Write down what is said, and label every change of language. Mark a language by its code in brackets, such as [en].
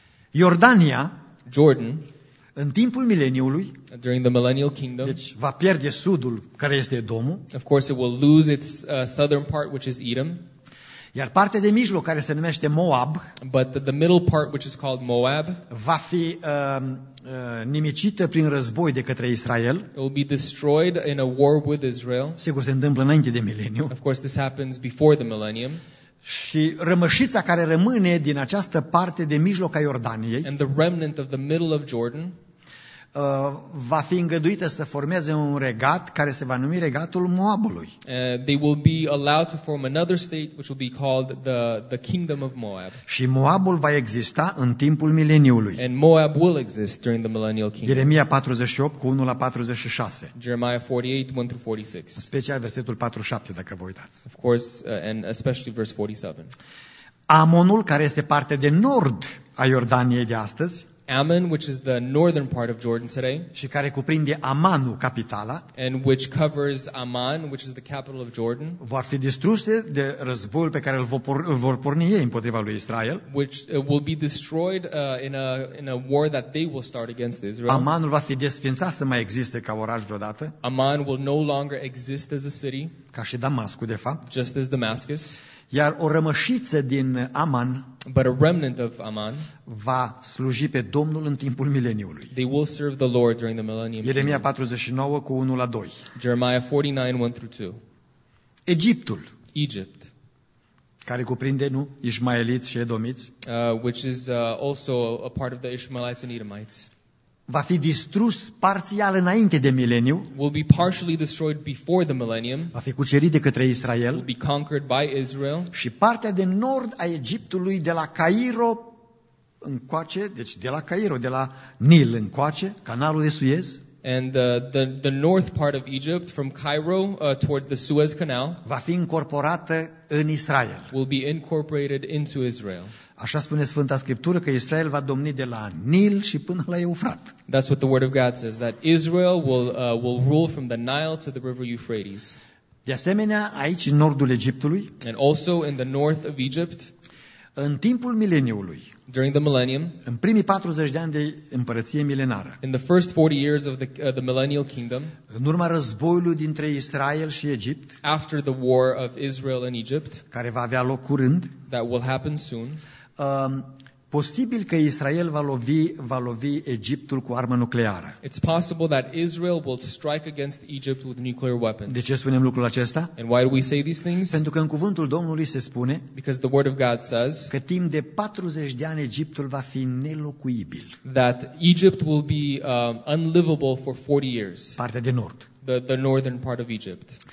[ro] Iordania, [en] Jordan, [ro] în timpul mileniului, [en] during the millennial kingdom, [ro] deci va pierde sudul care este Edomul. [en] Of course it will lose its southern part which is Edom. [ro] Iar partea de mijloc care se numește Moab, [en] but the middle part which is called Moab, [ro] va fi nimicită prin război de către Israel. [en] It will be destroyed in a war with Israel. [ro] Sigur se întâmplă înainte de mileniu. [en] Of course this happens before the millennium. [ro] Și rămășița care rămâne din această parte de mijloc a Iordaniei, [en] and the remnant of the middle of Jordan, [ro] va fi îngăduită să formeze un regat care se va numi regatul Moabului. [en] They will be allowed to form another state which will be called the kingdom of Moab. [ro] Și Moabul va exista în timpul mileniului. [en] And Moab will exist during the millennial kingdom. [ro] Ieremia 48 cu 1 la 46. [en] Jeremiah 48, 1 through 46. [ro] Special versetul 47 dacă vă uitați. [en] Of course, and especially verse 47. [ro] Amonul, care este partea de nord a Iordaniei de astăzi, [en] Ammon, which is the northern part of Jordan today, [ro] și care cuprinde Amanul, capitala, [en] and which covers Amman, which is the capital of Jordan, [ro] vor fi distruse de războiul pe care îl vor porni ei împotriva lui Israel, [en] which will be destroyed in a war that they will start against Israel. [ro] Amanul va fi desfințat să mai existe ca oraș vreodată. [en] Amman will no longer exist as a city, [ro] ca și Damascul de fapt, [en] just as Damascus. [ro] Iar o rămășiță din Aman, [en] but a remnant of Aman, [ro] va sluji pe Domnul în timpul mileniului. [en] They will serve the Lord during the millennium. [ro] Ieremia 49 cu 1 la 2. [en] Jeremiah 49, 1 through 2. [ro] Egiptul. [en] Egypt. [ro] Care cuprinde, nu, ismaeliți și edomiți. [en] Which is also a part of the Ishmaelites and Edomites. [ro] Va fi distrus parțial înainte de mileniu. [en] Will be partially destroyed before the millennium. [ro] Va fi cucerit de către Israel. [en] Will be conquered by Israel. [ro] Și partea de nord a Egiptului, de la Cairo încoace, deci de la Cairo, de la Nil încoace, canalul de Suez. [en] And the north part of Egypt, from Cairo towards the Suez Canal, [ro] va fi incorporată în Israel. [en] Will be incorporated into Israel. [ro] Așa spune Sfânta Scriptură, că Israel va domni de la Nil și până la Eufrat. [en] That's what the word of God says, that Israel will rule from the Nile to the river Euphrates. [ro] De asemenea, aici în nordul Egiptului, [en] and also in the north of Egypt, [ro] în timpul mileniului, [en] during the millennium, [ro] în primii 40 de ani de împărăție milenară, [en] in the first 40 years of the millennial kingdom, [ro] în urma războiului dintre Israel și Egipt, [en] after the war of Israel and Egypt, [ro] care va avea loc curând, [en] that will happen soon, [ro] posibil că Israel va lovi Egiptul cu armă nucleară. [en] It's possible that Israel will strike against Egypt with nuclear weapons. [ro] De ce spunem lucrul acesta? [en] And why do we say these things? [ro] Pentru că în cuvântul Domnului se spune, [en] because the word of God says, [ro] că timp de 40 de ani Egiptul va fi nelocuibil. [en] That Egypt will be unlivable for 40 years. [ro] Partea de nord. [en] The northern part of Egypt.